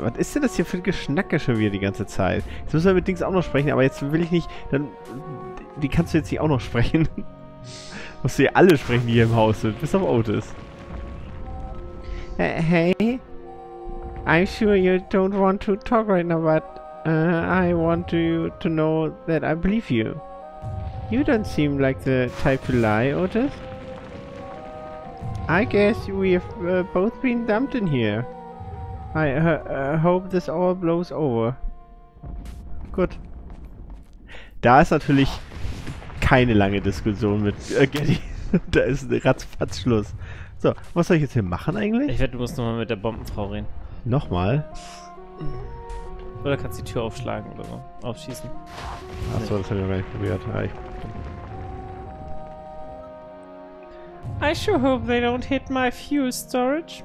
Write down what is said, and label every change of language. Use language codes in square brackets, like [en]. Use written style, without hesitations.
[de] Was ist denn das hier für ein Geschnacke schon wieder die ganze Zeit? Jetzt müssen wir mit Dings auch noch sprechen, aber jetzt will ich nicht... Dann, die kannst du jetzt nicht auch noch sprechen. Musst du ja alle sprechen, die hier im Haus sind. Bis auf Otis. [en] Hey. I'm sure you don't want to talk right now, but... I want you to know that I believe you. You don't seem like the type to lie, Otis. I guess we have both been dumped in here. I hope this all blows over. [de] Gut. Da ist natürlich keine lange Diskussion mit Getty. Da ist ein ratzfatz Schluss. So, was soll ich jetzt hier machen eigentlich? Ich werde, du musst nochmal mit der Bombenfrau reden. Nochmal? Oder kannst du die Tür aufschlagen oder so? Aufschießen. Achso, nee. Das habe ich noch gar nicht probiert. Ja, [en] I sure hope they don't hit my fuel storage.